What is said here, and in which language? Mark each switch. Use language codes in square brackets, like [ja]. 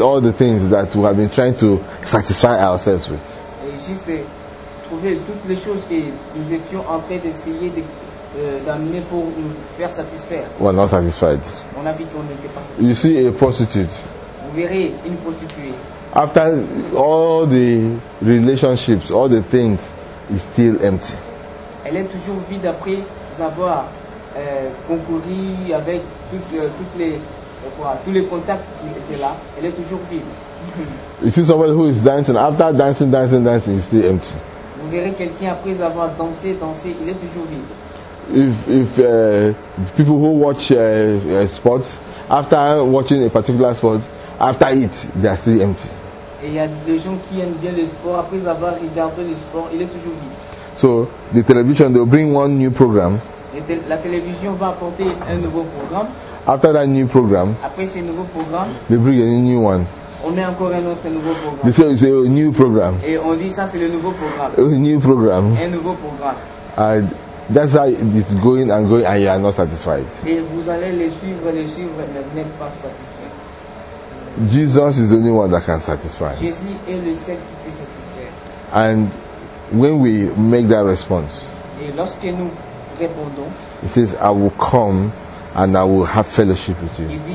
[en] all the things that we have been trying to satisfy ourselves with. [fr] Juste trouver toutes les choses que nous étions en train d'essayer de d'amener pour nous faire satisfaire. [en] We are not satisfied. [fr] On a vu qu'on n'était pas satisfait. [en] You see a prostitute. [fr] Vous verrez une prostituée. [en] After all the relationships, all the things, is still empty. [fr] Elle est toujours vide après avoir concouru avec tous les contacts qui étaient là. Elle est toujours vide. [en] You see somebody who is dancing. After dancing, is still empty. [fr] Vous verrez quelqu'un après avoir dansé, il est toujours vide. [en] If people who watch sports, after watching a particular sport, after it, they are still empty. [fr] Et il y a des gens qui aiment bien le sport. Après avoir regardé le sport, il est toujours vide. [en] So the television, they'll bring one new program. [fr] La télévision va apporter un nouveau programme. [en] After that new program, [fr] après ce nouveau programme, [en] they bring a new one. [fr] On met encore un autre nouveau programme. [en] They say it's a new program. [fr] Et on dit ça c'est le nouveau programme. [en] A new program. [fr] Un nouveau programme. [en] That's how it's going and going, and you are not satisfied. [fr] Et vous allez les suivre, mais vous n'êtes pas satisfait. [en] Jesus is the only one that can satisfy. [fr] Jésus est le seul qui peut satisfaire. [en] And when we make that response, [fr] et lorsque nous [en] he says, I will come and I will have fellowship with you.